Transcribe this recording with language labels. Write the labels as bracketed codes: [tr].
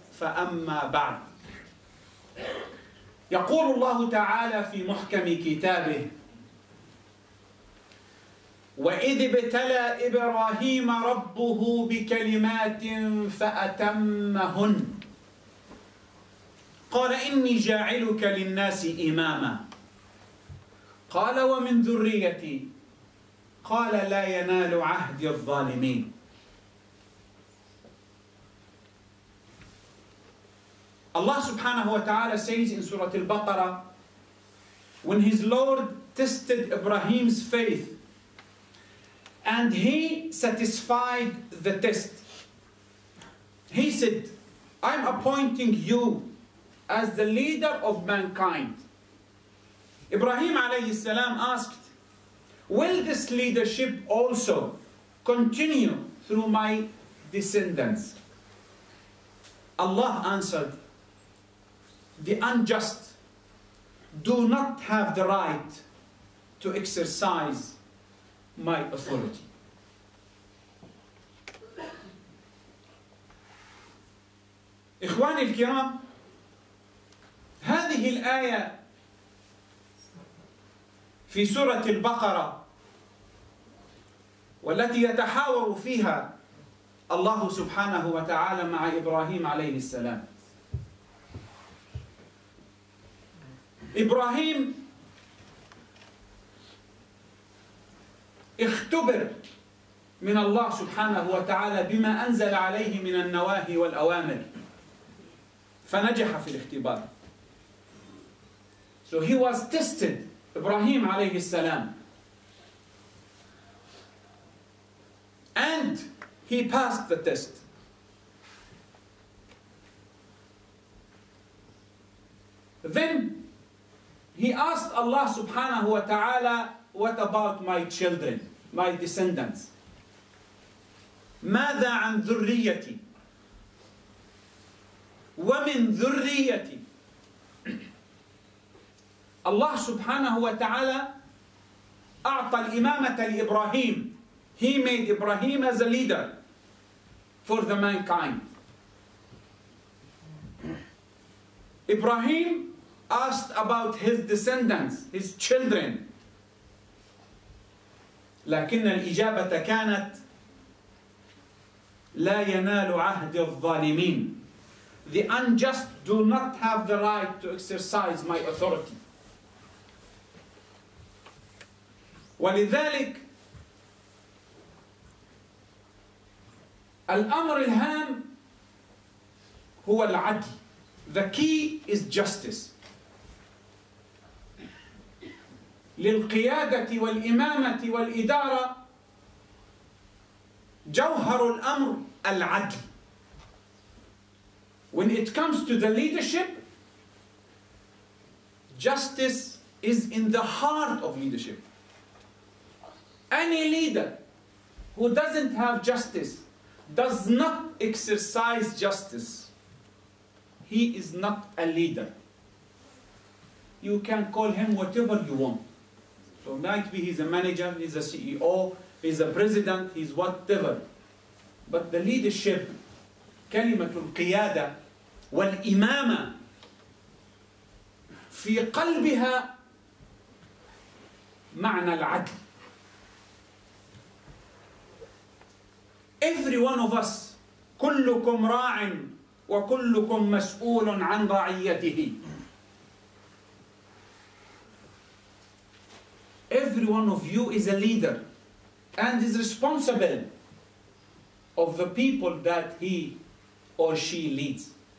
[ar] فأما بعد، يقول الله تعالى في محكم كتابه: وإذ ابتلى إبراهيم ربه بكلمات فأتمهن قال إني جاعلك للناس إماما قال ومن ذريتي قال لا ينال عهدي الظالمين. الله سبحانه وتعالى [en] says in Surah Al-Baqarah, when his Lord tested Ibrahim's faith and he satisfied the test, he said, I'm appointing you as the leader of mankind. Ibrahim alayhi salam asked, will this leadership also continue through my descendants? Allah answered, the unjust do not have the right to exercise my authority. [ar] إخواني الكرام، هذه الآية في سورة البقرة والتي يتحاور فيها الله سبحانه وتعالى مع إبراهيم عليه السلام. إبراهيم اختبر من الله سبحانه وتعالى بما أنزل عليه من النواهي والأوامر، فنجح في الاختبار. [en] So he was tested, Ibrahim [ar] عليه السلام. [en] And he passed the test. Then he asked Allah subhanahu wa ta'ala, what about my children, my descendants? [ar] ماذا عن ذريتي؟ ومن ذريتي. الله سبحانه وتعالى أعطى الإمامة لإبراهيم. [en] He made Ibrahim as a leader for the mankind. Ibrahim asked about his descendants, his children. [ar] لكن الإجابة كانت لا ينال عهد الظالمين. [en] The unjust do not have the right to exercise my authority. [ar] ولذلك الأمر الهام هو العدل. [en] The key is justice. [ar] للقيادة والإمامة والإدارة جوهر الأمر العدل. [en] When it comes to the leadership, justice is in the heart of leadership. Any leader who doesn't have justice, does not exercise justice, he is not a leader. You can call him whatever you want. So might be he's a manager, he's a CEO, he's a president, he's whatever. But the leadership, [ar] كلمة القيادة والإمامة في قلبها معنى العدل. [en] Every one of us, [ar] كلكم راع وكلكم مسؤول عن رعيته. [en] Every one of you is a leader and is responsible of the people that he or she leads.